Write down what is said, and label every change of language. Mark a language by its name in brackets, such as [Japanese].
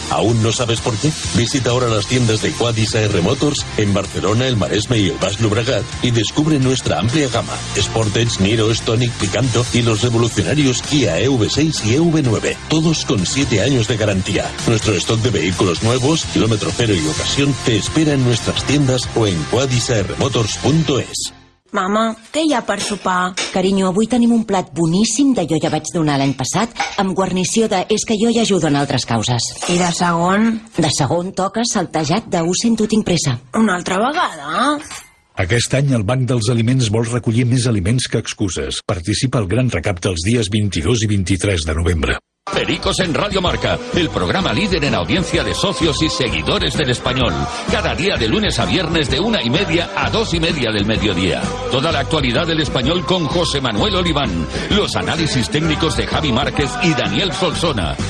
[Spanish] ¿Aún no sabes por qué? Visita ahora las tiendas de Quadis AR Motors en Barcelona, el Maresme y el Baix Llobregat y descubre nuestra amplia gama. Sportage, Niro, Stonic, Picanto y los revolucionarios Kia EV6 y EV9. Todos con 7 años de garantía. Nuestro stock de vehículos nuevos, kilómetro cero y ocasión, te espera en nuestras tiendas o en quadisarmotors.es. [Catalan] Mama, què hi ha per sopar? Carinyo, avui tenim un plat boníssim d'allò ja vaig donar l'any passat amb guarnició de és que jo hi ajudo en altres causes. I de segon? De segon toca saltejat de ho sento, tinc pressa. Una altra vegada? Aquest any el Banc dels Aliments vol recollir més aliments que excuses. Participa al Gran Recap dels dies 22 i 23 de novembre. [Spanish] Pericos en Radio Marca, el programa líder en audiencia de socios y seguidores del Español. Cada día de lunes a viernes de 1:30 a 2:30 del mediodía. Toda la actualidad del Español con José Manuel Oliván. Los análisis técnicos de Javi Márquez y Daniel Solsona.